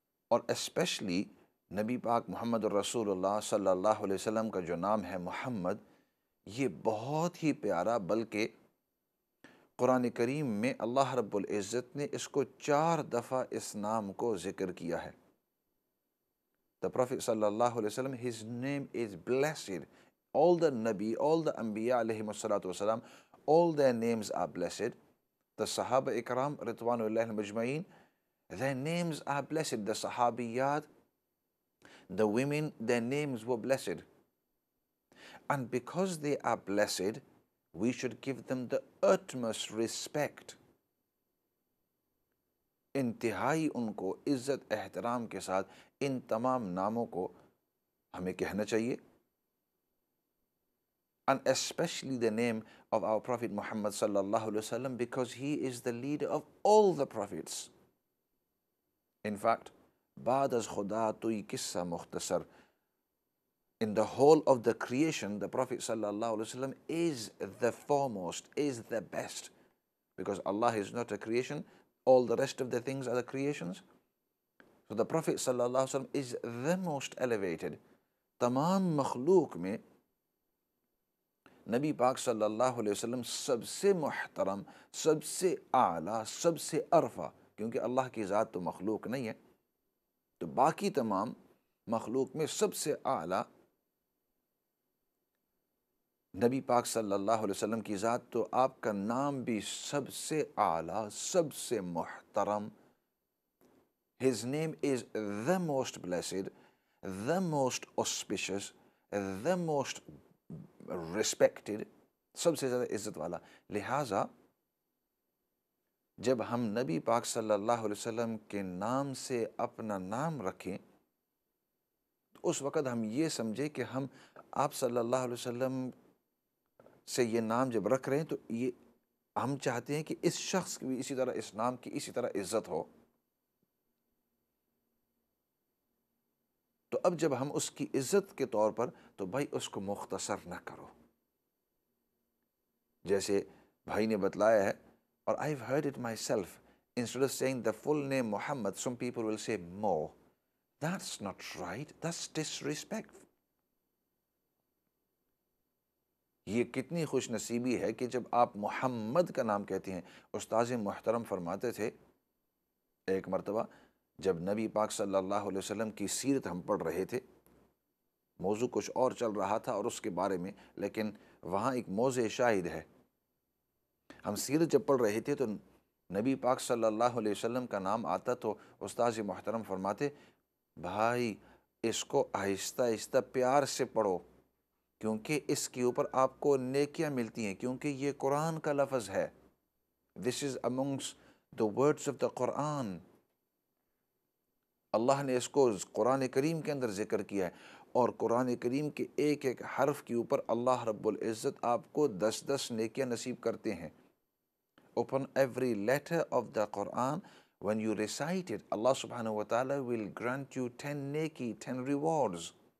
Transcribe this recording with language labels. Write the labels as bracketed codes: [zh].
[ur] اور اسپیشلی نبی پاک محمد الرسول اللہ صلی اللہ علیہ وسلم کا جو نام ہے محمد, یہ بہت ہی پیارا, بلکہ قرآن کریم میں اللہ رب العزت نے اس کو 4 دفعہ اس نام کو ذکر کیا ہے. [en] The Prophet صلی اللہ علیہ وسلم, his name is blessed. All the نبی, all the انبیاء علیہ الصلاۃ والسلام, all their names are blessed. The صحابہ اکرام رضوان اللہ مجمعین, their names are blessed. The صحابیات, the women, their names were blessed. And because they are blessed, we should give them the utmost respect. [ur] انتہائی ان کو عزت احترام کے ساتھ ان تمام ناموں کو ہمیں کہنا چاہیے. [en] And especially the name of our Prophet Muhammad sallallahu alaihi wasallam, because he is the leader of all the prophets. In fact, [ur] بعد از خدا تو یہ قصہ مختصر, [en] in the whole of the creation, the Prophet sallallahu alaihi wasallam is the foremost, is the best, because Allah is not a creation, all the rest of the things are the creations. So the Prophet sallallahu alaihi wasallam is the most elevated. [ur] تمام مخلوق میں نبی پاک صلی اللہ علیہ وسلم سب سے محترم, سب سے اعلیٰ, سب سے ارفع, کیونکہ اللہ کی ذات تو مخلوق نہیں ہے. تو باقی تمام مخلوق میں سب سے اعلیٰ نبی پاک صلی اللہ علیہ وسلم کی ذات، تو آپ کا نام بھی سب سے اعلیٰ، سب سے محترم. [en] His name is the most blessed, the most auspicious, the most respected, [ur] سب سے زیادہ عزت والا. لہٰذا جب ہم نبی پاک صلی اللہ علیہ وسلم کے نام سے اپنا نام رکھیں، تو اس وقت ہم یہ سمجھیں کہ ہم آپ صلی اللہ علیہ وسلم سے یہ نام جب رکھ رہے ہیں تو یہ ہم چاہتے ہیں کہ اس شخص کی بھی اسی طرح، اس نام کی اسی طرح عزت ہو. تو اب جب ہم اس کی عزت کے طور پر، تو بھائی اس کو مختصر نہ کرو. جیسے بھائی نے بتلایا ہے، اور [en] I've heard it myself, instead of saying the full name Muhammad, some people will say Mo. That's not right, that's disrespectful. [ur] یہ کتنی خوش نصیبی ہے کہ جب آپ محمد کا نام کہتے ہیں. استاذ محترم فرماتے تھے، ایک مرتبہ جب نبی پاک صلی اللہ علیہ وسلم کی سیرت ہم پڑھ رہے تھے، موضوع کچھ اور چل رہا تھا اور اس کے بارے میں، لیکن وہاں ایک موضع شاہد ہے، ہم سیرت جب پڑھ رہے تھے تو نبی پاک صلی اللہ علیہ وسلم کا نام آتا تو استاذ محترم فرماتے، بھائی اس کو آہستہ آہستہ پیار سے پڑھو، کیونکہ اس کے اوپر آپ کو نیکیاں ملتی ہیں، کیونکہ یہ قرآن کا لفظ ہے. [en] This is amongst the words of the Quran. [ur] اللہ نے اس کو قرآن کریم کے اندر ذکر کیا ہے، اور قرآن کریم کے ایک ایک حرف کے اوپر اللہ رب العزت آپ کو 10-10 نیکیاں نصیب کرتے ہیں. [en] Upon every letter of the Quran, when you recite it, Allah subhanahu wa ta'ala will grant you 10 neki, 10 rewards.